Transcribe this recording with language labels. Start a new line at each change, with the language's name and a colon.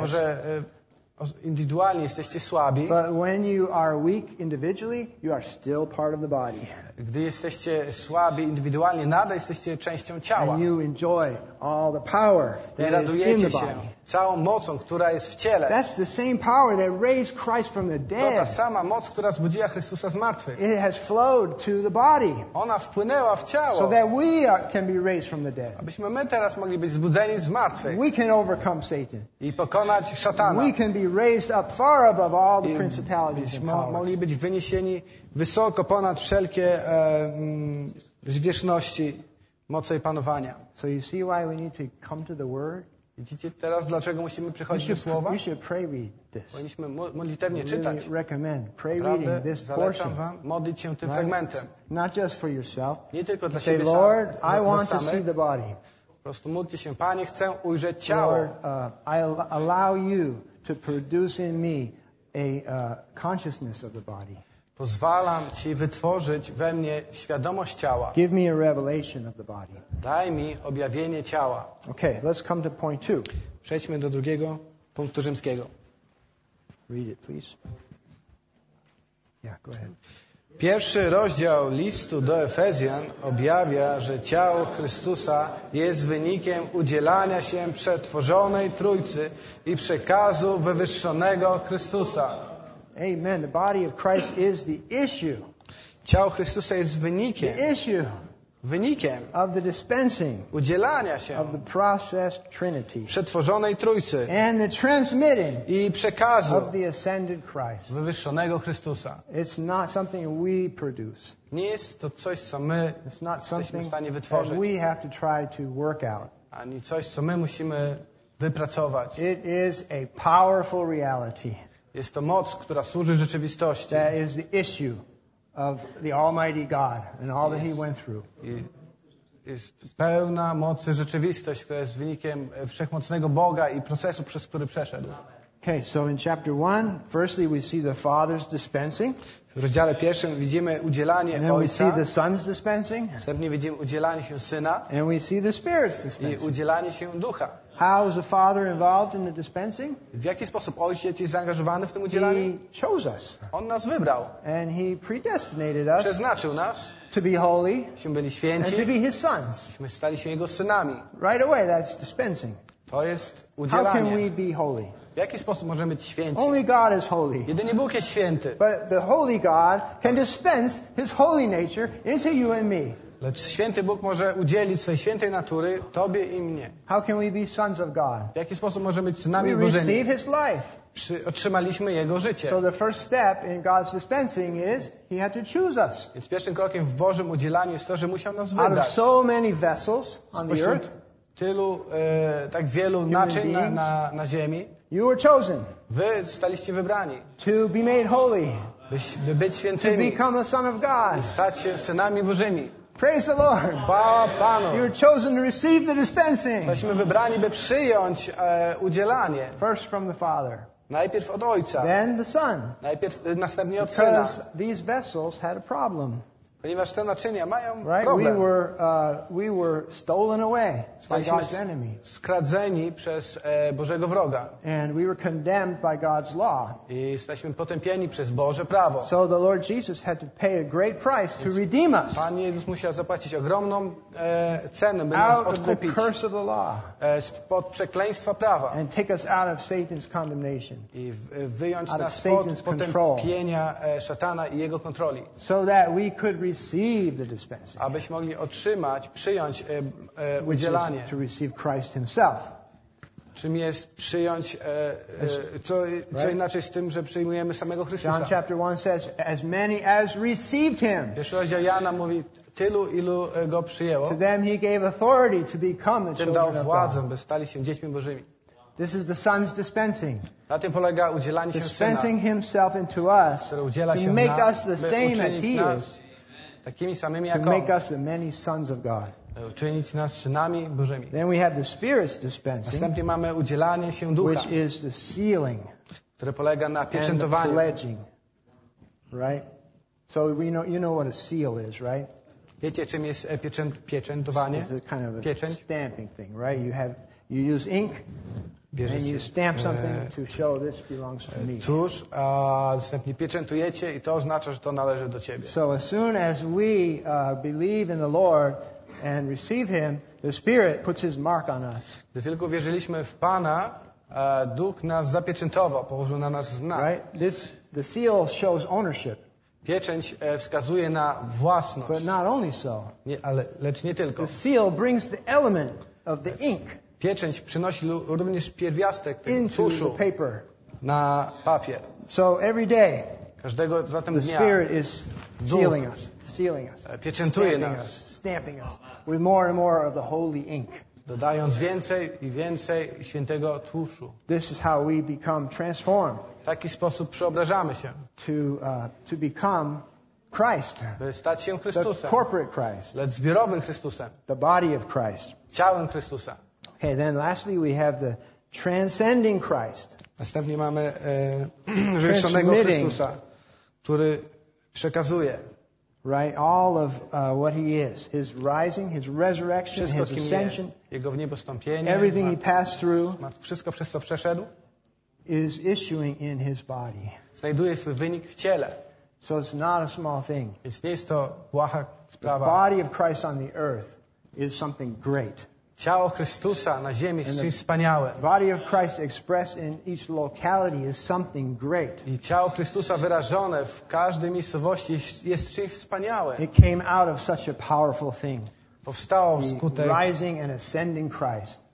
Polish: Może indywidualnie jesteście słabi.
English: But when you are weak individually, you are still part of the body.
Polish: Gdy jesteście słabi indywidualnie, nadal jesteście częścią ciała.
English: And you enjoy all the power that
Polish: i radujecie się
English: in the body.
Polish: Całą mocą, która jest w ciele.
English: That's the same power that raised Christ from the dead.
Polish: To ta sama moc, która zbudziła Chrystusa z martwych.
English: It has flowed to the body.
Polish: Ona wpłynęła w ciało.
English: So that we are, can be raised from the dead.
Polish: Abyśmy my teraz mogli być zbudzeni z martwych.
English: We can overcome Satan.
Polish: I pokonać szatana.
English: We can be raised up far above all the principalities and powers.
Polish: Mogli być wyniesieni wysoko ponad wszelkie zwierzchności, moce i panowania.
English: So you see why we need to come to the word?
Polish: Widzicie teraz, dlaczego musimy przychodzić do słowa?
English: We should pray read this.
Polish: Powinniśmy modlitewnie czytać.
English: Really recommend pray reading this portion.
Polish: Wam modlić się tym fragmentem.
English: Not just for yourself.
Polish: Nie tylko dla
English: say,
Polish: siebie
English: Lord,
Polish: samych.
English: I want to see the body.
Polish: Po prostu módlcie się, Panie, chcę ujrzeć ciało.
English: Lord, I allow you to produce in me a consciousness of the body.
Polish: Pozwalam Ci wytworzyć we mnie świadomość ciała.
English: Give me a revelation of the body.
Polish: Daj mi objawienie ciała.
English: Okay, let's come to point two.
Polish: Przejdźmy do drugiego punktu rzymskiego.
English: Read it, please. Yeah, go ahead.
Polish: Pierwszy rozdział listu do Efezjan objawia, że ciało Chrystusa jest wynikiem udzielania się przetworzonej Trójcy i przekazu wywyższonego Chrystusa.
English: Amen. The body of Christ is the issue.
Polish: Ciało Chrystusa jest wynikiem.
English: The issue.
Polish: Wynikiem.
English: Of the dispensing.
Polish: Udzielania się.
English: Of the process Trinity.
Polish: Przetworzonej Trójcy.
English: And the transmitting.
Polish: I przekazu.
English: Of the ascended Christ.
Polish: Wywyższonego Chrystusa.
English: It's not something we produce.
Polish: Nie jest to coś, co my
English: it's not something
Polish: jesteśmy w stanie wytworzyć.
English: That we have to try to work out.
Polish: Ani coś, co my musimy wypracować.
English: It is a powerful reality.
Polish: Jest to moc, która służy rzeczywistości.
English: That is the issue of the Almighty God and all that He went through.
Polish: Jest pełna mocy rzeczywistość, która jest wynikiem wszechmocnego Boga i procesu, przez który przeszedł.
English: Okay, so in chapter 1, firstly we see the Father's dispensing.
Polish: W rozdziale pierwszym widzimy udzielanie Ojca.
English: We see the Son's dispensing.
Polish: Następnie widzimy udzielanie się Syna.
English: And we see the Spirit's dispensing.
Polish: I udzielanie się Ducha.
English: How is the Father involved in the dispensing?
Polish: W jaki sposób Ojciec jest zaangażowany w tym udzielaniu?
English: He chose us.
Polish: On nas wybrał.
English: And he predestinated us.
Polish: Przeznaczył nas.
English: To be holy.
Polish: Byśmy byli święci.
English: And to be his sons.
Polish: Byśmy stali się jego synami.
English: Right away, that's dispensing.
Polish: To jest udzielanie.
English: How can we be holy?
Polish: W jaki sposób możemy być święci?
English: Only God is holy.
Polish: Jedynie Bóg jest święty.
English: But the holy God can dispense his holy nature into you and me.
Polish: Lecz święty Bóg może udzielić swej świętej natury tobie i mnie.
English: How can we be sons of God?
Polish: W jaki sposób możemy być synami Bożymi?
English: We receive his life.
Polish: Otrzymaliśmy jego życie.
English: So the first step in God's dispensing is he had to choose us.
Polish: Więc pierwszym krokiem w Bożym udzielaniu jest to, że musiał nas wybrać.
English: Out of so many vessels on the earth.
Polish: Tylu, tak wielu naczyń na ziemi.
English: You were chosen.
Polish: Wy staliście wybrani.
English: To be made holy.
Polish: By być świętymi.
English: To become a son of God.
Polish: I stać się synami Bożymi.
English: Praise the Lord.
Polish: Chwała Panu.
English: You were chosen to receive the dispensing.
Polish: Staliśmy wybrani, by przyjąć udzielanie.
English: First from the Father.
Polish: Najpierw od Ojca.
English: Then the Son.
Polish: Najpierw, następnie od
English: Because
Polish: Syna.
English: Because these vessels had a problem.
Polish: Ponieważ te naczynia mają
English: right?
Polish: problem.
English: We were stolen away by God's enemy.
Polish: Skradzeni przez Bożego wroga.
English: And we were condemned by God's law.
Polish: I jesteśmy potępieni przez Boże prawo.
English: So the Lord Jesus had to pay a great price to redeem us.
Polish: Pan Jezus musiał zapłacić ogromną cenę, by
English: out
Polish: nas odkupić.
English: Of the curse of the law.
Polish: Spod przekleństwa prawa.
English: And take us out of Satan's condemnation.
Polish: I wyjąć
English: out
Polish: nas Satan's spod potępienia szatana i jego kontroli.
English: So that we could receive the dispensing.
Polish: Abyśmy mogli otrzymać, przyjąć udzielanie.
English: To receive Christ himself.
Polish: Czym jest przyjąć, co inaczej z tym, że przyjmujemy samego Chrystusa.
English: John chapter 1 says, as many as received him.
Polish: Pierwszy rozdział Jana mówi, tylu, ilu go przyjęło.
English: To them he gave authority to become the children of God.
Polish: Tym dał władzę, by stali się dziećmi Bożymi.
English: This is the Son's dispensing.
Polish: Na tym polega udzielanie się Syna.
English: Dispensing himself into us.
Polish: Udziela się
English: to make us the same as he is.
Polish: Takimi samymi jak on.
English: To make us the many sons of God.
Polish: Uczynić nas synami Bożymi.
English: Then we have the Spirit's dispensing.
Polish: Następnie mamy udzielanie się Ducha.
English: Which is the sealing.
Polish: Które polega na pieczętowaniu.
English: And the pledging. Right? So we know, you know what a seal is, right?
Polish: Wiecie, czym jest pieczętowanie?
English: It's a kind of a
Polish: pieczęć.
English: Stamping thing, right? You use ink.
Polish: Bierzecie,
English: and you stamp something to show this belongs to me.
Polish: Tusz, a następnie pieczętujecie i to oznacza, że to należy do ciebie.
English: So as soon as we believe in the Lord and receive him, the Spirit puts his mark on us.
Polish: Gdy tylko wierzyliśmy w Pana, Duch nas zapieczętował, położył na nas znak.
English: Right? The seal shows ownership.
Polish: Pieczęć wskazuje na własność.
English: But not only so.
Polish: Nie, ale, lecz nie tylko.
English: The seal brings the element of the ink.
Polish: Pieczęć przynosi również pierwiastek tego tuszu na papier.
English: So every day,
Polish: każdego zatem
English: the
Polish: dnia
English: Spirit is sealing us, sealing us,
Polish: pieczętuje
English: stamping
Polish: nas,
English: stamping us with more and more of the holy ink.
Polish: Dodając więcej i więcej świętego tuszu.
English: This is how we become transformed.
Polish: W taki sposób przeobrażamy się.
English: To become Christ.
Polish: By stać się Chrystusem.
English: Corporate Christ.
Polish: Lecz zbiorowym Chrystusem.
English: The body of Christ.
Polish: Ciałem Chrystusa.
English: Okay, then lastly we have the transcending Christ.
Polish: Następnie mamy wyższonego Chrystusa, który przekazuje
English: right all of what he is, his rising, his resurrection,
Polish: wszystko,
English: his ascension,
Polish: jego wniebowstąpienie,
English: everything he passed through,
Polish: wszystko przez co przeszedł,
English: is issuing in his body.
Polish: Znajduje swój wynik w ciele.
English: So it's not a small thing.
Polish: Więc nie jest to błaha sprawa.
English: The body of Christ on the earth is something great.
Polish: Ciało Chrystusa na ziemi jest czymś wspaniałym.
English: Body of Christ expressed in each locality is something great.
Polish: I ciało Chrystusa wyrażone w każdej miejscowości jest czymś wspaniałym.
English: It came out of such a powerful thing.
Polish: Powstało wskutek
English: rising and ascending Christ.